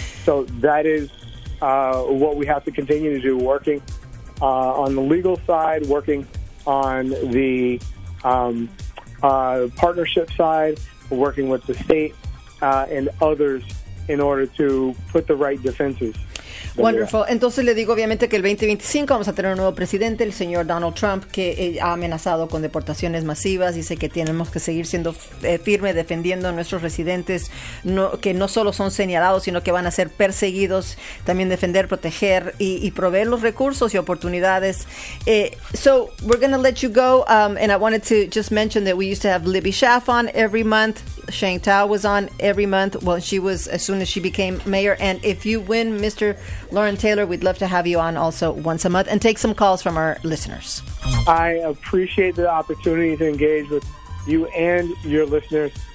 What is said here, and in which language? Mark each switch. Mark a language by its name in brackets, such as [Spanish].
[English] So that is what we have to continue to do, working on the legal side, working on the partnership side, working with the state and others in order to put the right defenses. Wonderful. [Spanish] Entonces le digo obviamente que el 2025 vamos a tener un nuevo presidente, el señor Donald Trump, que ha amenazado con deportaciones masivas. Dice que tenemos que seguir siendo firme defendiendo a nuestros residentes, que no solo son señalados, sino que van a ser perseguidos. También defender, proteger y proveer los recursos y oportunidades. [English] So we're going to let you go. And I wanted to just mention that we used to have Libby Schaff on every month. Sheng Tao was on every month. Well, she was as soon as she became mayor. And if you win, Mr. Lauren Taylor, we'd love to have you on also once a month and take some calls from our listeners. I appreciate the opportunity to engage with you and your listeners.